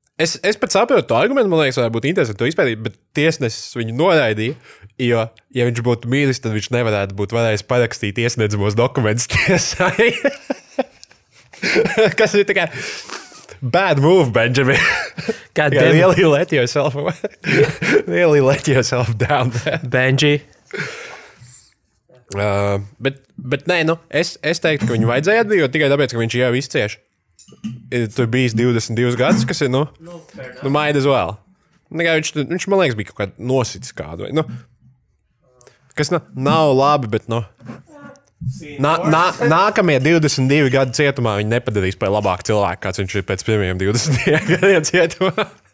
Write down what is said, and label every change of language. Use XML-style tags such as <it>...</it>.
<lv>Es pat saprotu to argumentu, man liekas, varētu būt interesanti to izpētīt, bet tiesnesis viņu noraidīja, jo, ja viņš būtu mīlis, tad viņš nevarētu būt varējis parakstīt iesniedzamos dokumentus tiesai. Kas ir tā kā</lv> <en>bad move,</en> <lv>Benjamin.</lv> <en>God damn. Really let yourself really let yourself down there. Benji.</en> <lv>Bet nē, nu, es teiktu, ka viņu vajadzēja atbrīvot tikai tāpēc, ka viņš jau izcieš. Tu ir bijis 22 gadus, kas ir, nu</lv> <en>might as well.</en> <lv>Nekā viņš, man liekas, bija kaut kādu nosicis kādu, vai, nu, kas nav labi, bet, nu, nākamie 22 gadu cietumā viņi nepadarīs par labāku cilvēku, kāds viņš ir pēc pirmajiem 22 gadiem cietumā.</lv>